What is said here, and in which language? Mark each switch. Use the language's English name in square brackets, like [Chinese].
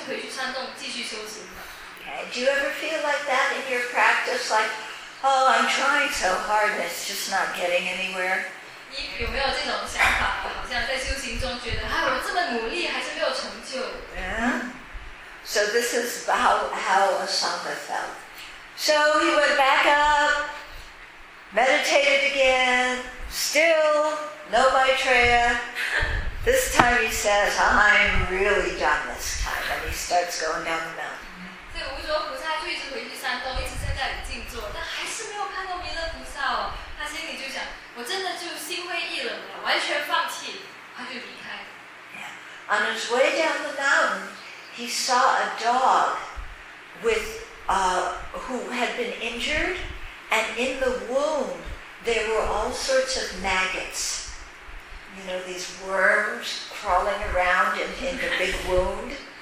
[English] Do you ever feel like that in your practice? Like, oh, I'm trying so hard, and it's just not getting anywhere. [Chinese] 你有没有这种想法？好像在修行中觉得，哎，我这么努力，还是没有成就。 [English] So this is how Asanga felt. So he went back up, meditated again, still no Maitreya. This time he says, I'm really done this time. And he starts going down the mountain. [Chinese] 无着菩萨就一直回去山洞，一直在那里静坐，但还是没有看到弥勒菩萨哦。他心里就想，我真的就心灰意冷了，完全放弃，他就离开。 Yeah. [English] On his way down the mountain,He saw a dog who had been injured, and in the wound there were all sorts of maggots. You know, these worms crawling around in the big wound.